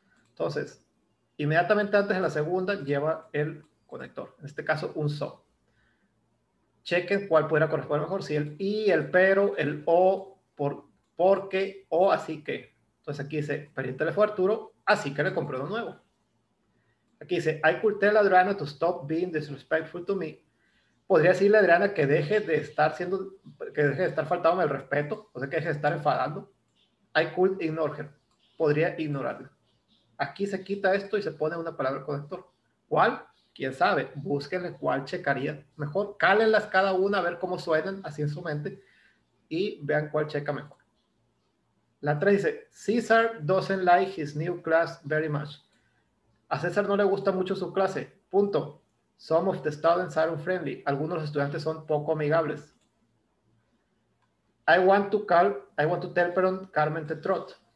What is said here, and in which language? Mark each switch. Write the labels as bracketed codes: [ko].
[es] Entonces, inmediatamente antes de la segunda, lleva el conector. En este caso, un so. Chequen cuál pudiera corresponder mejor. Si el y, el pero, el o, por, porque, o así que. Entonces aquí dice, perdí el teléfono a Arturo, así que le compré uno nuevo. Aquí dice, [en] I could tell Adriana to stop being disrespectful to me. [es] Podría decirle a Adriana que deje de estar siendo, que deje de estar faltándome el respeto, o sea, que deje de estar enfadando. [en] I could ignore her. [es] Podría ignorarla. Aquí se quita esto y se pone una palabra conector. ¿Cuál? ¿Quién sabe? Búsquenle cuál checaría mejor. Cálenlas cada una a ver cómo suenan así en su mente y vean cuál checa mejor. La 3 dice, [en] Caesar doesn't like his new class very much. [es] A César no le gusta mucho su clase. Punto. [en] Some of the students are unfriendly. [es] Algunos estudiantes son poco amigables. [en] I want to tell Carmen the truth.